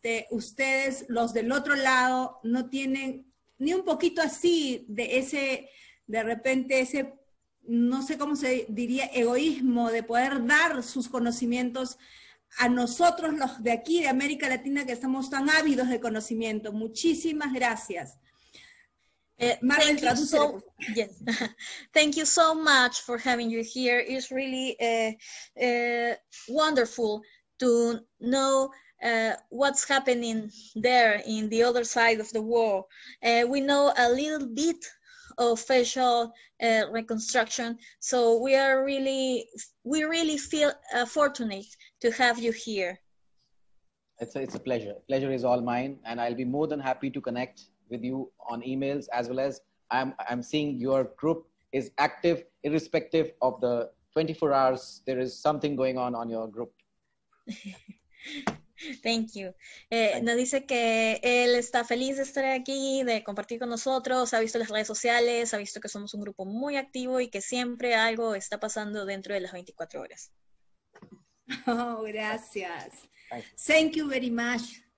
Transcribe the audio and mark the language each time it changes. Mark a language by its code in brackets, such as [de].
[es] ustedes, los del otro lado, no tienen ni un poquito así de ese, de repente, ese, no sé cómo se diría, egoísmo de poder dar sus conocimientos a nosotros, los de aquí, de América Latina, que estamos tan ávidos de conocimiento. Muchísimas gracias. [en] Thank you so much for having you here. It's really wonderful to know what's happening there in the other side of the world. We know a little bit of facial reconstruction, so we really feel fortunate to have you here. It's a pleasure. Pleasure is all mine, and I'll be more than happy to connect with you on emails, as well as I'm seeing your group is active irrespective of the 24 hours. There is something going on your group. Thank you. [es] Nos dice que él está feliz de estar aquí, de compartir con nosotros, ha visto las redes sociales, ha visto que somos un grupo muy activo y que siempre algo está pasando dentro de las 24 horas. [en] Oh, [es] gracias. [en] Thank you very much.